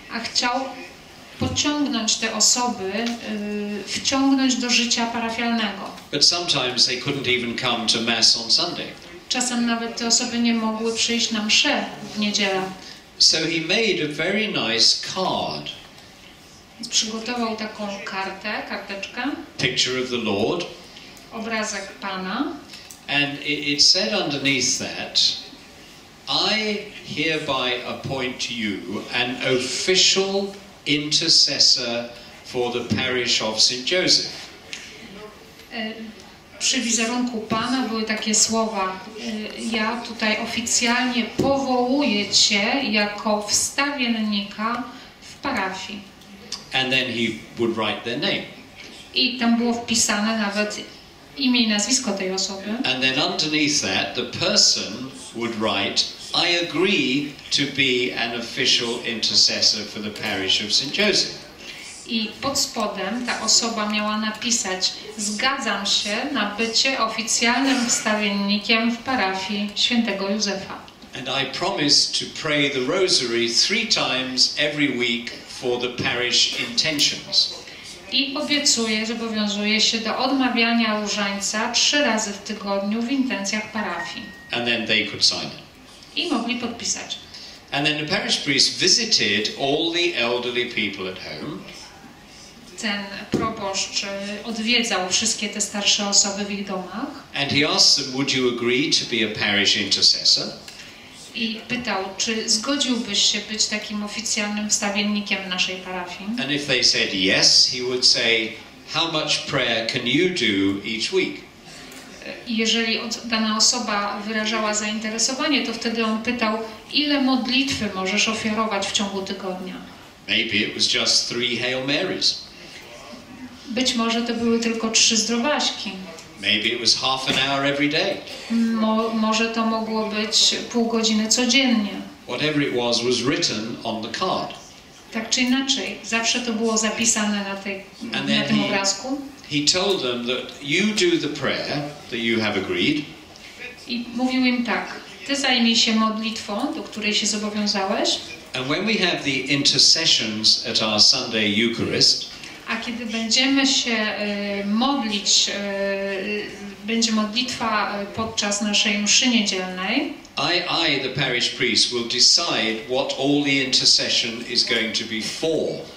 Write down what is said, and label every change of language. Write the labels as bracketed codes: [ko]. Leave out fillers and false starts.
[pl] A chciał pociągnąć te osoby, wciągnąć do życia parafialnego. [en] But sometimes they couldn't even come to mass on Sunday. [pl] Czasem nawet te osoby nie mogły przyjść na mszę w niedzielę. [en] So he made a very nice card. [pl] Przygotował taką kartę, karteczkę. [en] Picture of the Lord. [pl] Obrazek Pana. [en] And it said underneath that, I hereby appoint you an official intercessor for the parish of St. Joseph. [pl] Przy wizerunku Pana były takie słowa: ja tutaj oficjalnie powołuję cię jako wstawiennika w parafii. [en] And then he would write their name. [pl] I tam było wpisane nawet imię i nazwisko tej osoby. [en] And then underneath that, the person would write, I agree to be an official intercessor for the parish of St. Joseph. [pl] I pod spodem ta osoba miała napisać, zgadzam się na bycie oficjalnym wstawiennikiem w parafii Świętego Józefa. [en] And I promise to pray the rosary 3 times every week for the parish intentions. [pl] I obiecuję, zobowiązuję się do odmawiania różańca 3 razy w tygodniu w intencjach parafii. [en] And then they could sign it. [pl] I mogli podpisać. [en] And then the parish priest visited all the elderly people at home. [pl] Ten proboszcz odwiedzał wszystkie te starsze osoby w ich domach. [en] And he asked them, would you agree to be a parish intercessor? [pl] I pytał, czy zgodziłbyś się być takim oficjalnym wstawiennikiem naszej parafii? [en] And if they said yes, he would say, how much prayer can you do each week? [pl] Jeżeli dana osoba wyrażała zainteresowanie, to wtedy on pytał, ile modlitwy możesz ofiarować w ciągu tygodnia? [en] Maybe it was just 3 Hail Marys. [pl] Być może to były tylko 3 zdrowaśki. [en] Maybe it was half an hour every day. [pl] Może to mogło być pół godziny codziennie. [en] Whatever it was written on the card. [pl] Tak czy inaczej, zawsze to było zapisane na tym obrazku. [en] He told them that you do the prayer that you have agreed. [pl] I mówił im tak, ty zajmij się modlitwą, do której się zobowiązałeś. [en] And when we have the intercessions at our Sunday Eucharist, [pl] a kiedy będziemy się modlić, będzie modlitwa podczas naszej mszy niedzielnej. [en] I, the parish priest, will decide what all the intercession is going to be for.